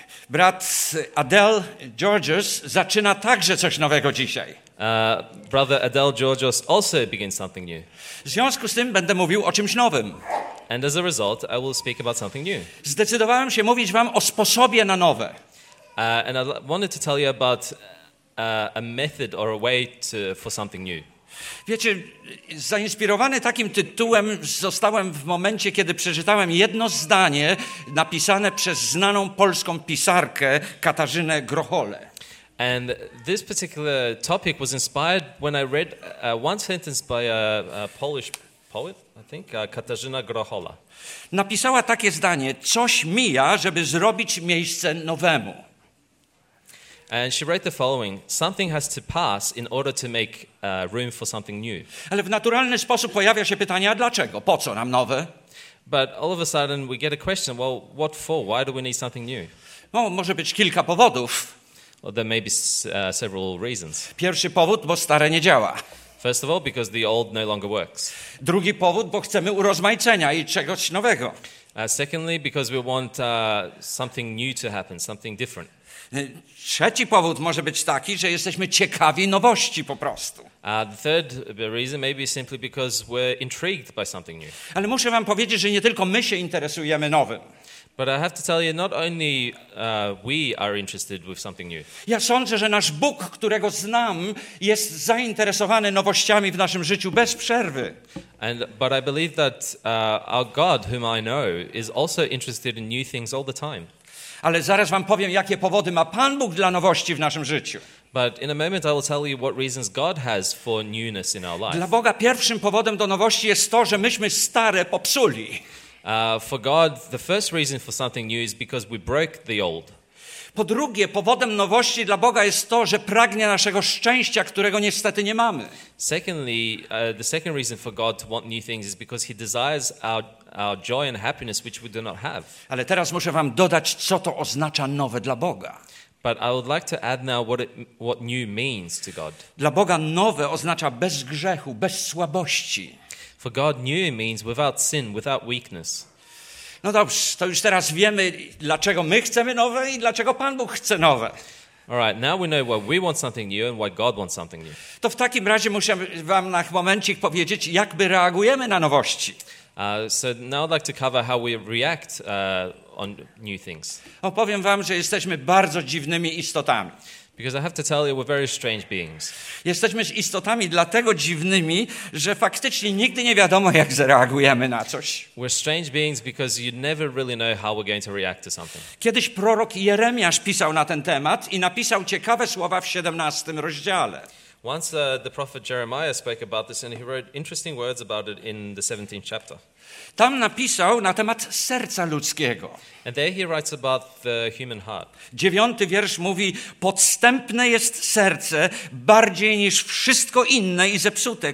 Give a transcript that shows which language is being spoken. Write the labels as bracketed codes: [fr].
[pl] Brat Adele Georges zaczyna także coś nowego dzisiaj. [en] Brother Adele Georges also begins something new. [pl] W związku z tym będę mówił o czymś nowym. [en] And as a result, I will speak about something new. [pl] Zdecydowałem się mówić wam o sposobie na nowe. [en] And I wanted to tell you about a method or a way to, for something new. [pl] Wiecie, zainspirowany takim tytułem zostałem w momencie, kiedy przeczytałem jedno zdanie napisane przez znaną polską pisarkę Katarzynę Grochole. [en] And this particular topic was inspired when I read one sentence by a Polish poet, I think, Katarzyna Grochola. [pl] Napisała takie zdanie, coś mija, żeby zrobić miejsce nowemu. [en] And she wrote the following, something has to pass in order to make room for something new. [pl] Ale w naturalny sposób pojawia się pytanie, a dlaczego? Po co nam nowe? [en] But all of a sudden we get a question, well, what for? Why do we need something new? [pl] No, może być kilka powodów. [en] Well, there may be several reasons. [pl] Pierwszy powód, bo stare nie działa. [en] First of all, because the old no longer works. [pl] Drugi powód, bo chcemy urozmaicenia i czegoś nowego. [en] Secondly, because we want something new to happen, something different. [pl] Trzeci powód może być taki, że jesteśmy ciekawi nowości po prostu. [en] The third reason may be simply because we're intrigued by something new. [pl] Ale muszę wam powiedzieć, że nie tylko my się interesujemy nowym. [en] But I have to tell you, not only we are interested with something new. [pl] Ja sądzę, że nasz Bóg, którego znam, jest zainteresowany nowościami w naszym życiu bez przerwy. [en] But I believe that our God, whom I know, is also interested in new things all the time. [pl] Ale zaraz wam powiem, jakie powody ma Pan Bóg dla nowości w naszym życiu. [en] But in a moment I will tell you what reasons God has for newness in our life. [pl] Dla Boga pierwszym powodem do nowości jest to, że myśmy stare popsuli. [en] For God, the first reason for something new is because we broke the old. [pl] Po drugie, powodem nowości dla Boga jest to, że pragnie naszego szczęścia, którego niestety nie mamy. [en] Secondly, the second reason for God to want new things is because he desires our joy and happiness, which we do not have. [pl] Ale teraz muszę wam dodać, co to oznacza nowe dla Boga. [en] But I would like to add now what new means to God. [pl] Dla Boga nowe oznacza bez grzechu, bez słabości. [en] For God, new means without sin, without weakness. [pl] No dobrze, to już teraz wiemy, dlaczego my chcemy nowe i dlaczego Pan Bóg chce nowe. [en] All right, now we know why we want something new and why God wants something new. [pl] To w takim razie muszę wam na momencik powiedzieć, jak my reagujemy na nowości. [en] So now I'd like to cover how we react on new things. [pl] Opowiem wam, że jesteśmy bardzo dziwnymi istotami. [en] Because I have to tell you, we're very strange beings. [pl] Jesteśmy istotami dlatego dziwnymi, że faktycznie nigdy nie wiadomo, jak zareagujemy na coś. [en] We're strange beings because you never really know how we're going to react to something. [pl] Kiedyś prorok Jeremiasz pisał na ten temat i napisał ciekawe słowa w 17 rozdziale. [en] Once the prophet Jeremiah spoke about this and he wrote interesting words about it in the 17th chapter. [pl] Tam napisał na temat serca ludzkiego. [en] And there he writes about the human heart. [pl] 9 wiersz mówi, podstępne jest serce bardziej niż wszystko inne i zepsute.